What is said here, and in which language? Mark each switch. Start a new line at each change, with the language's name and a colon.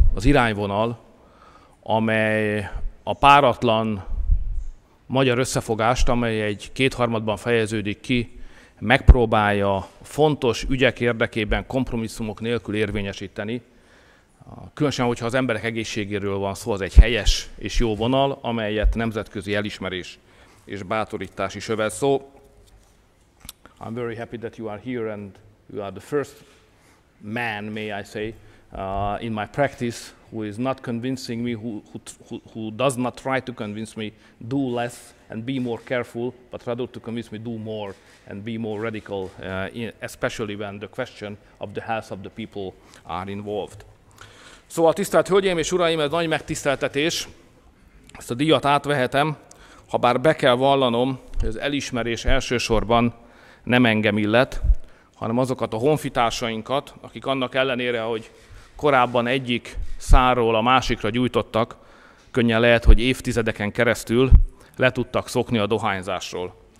Hungarian: az irányvonal, amely a páratlan magyar összefogást, amely egy kétharmadban fejeződik ki, megpróbálja fontos ügyek érdekében kompromisszumok nélkül érvényesíteni. Különösen, hogyha az emberek egészségéről van szó, az egy helyes és jó vonal, amelyet nemzetközi elismerés és bátorítás is övez.
English: So, I'm very happy that you are here and you are the first man, may I say, in my practice, who is not convincing me, who does not try to convince me, do less and be more careful, but rather to convince me, do more and be more radical, especially when the question of the health of the people are involved.
Hungarian: Szóval, tisztelt Hölgyeim és Uraim, ez nagy megtiszteltetés. Ezt a díjat átvehetem, habár be kell vallanom, hogy az elismerés elsősorban nem engem illet, hanem azokat a honfitársainkat, akik annak ellenére, hogy korábban egyik szárról a másikra gyújtottak, könnyen lehet, hogy évtizedeken keresztül le tudtak szokni a dohányzásról.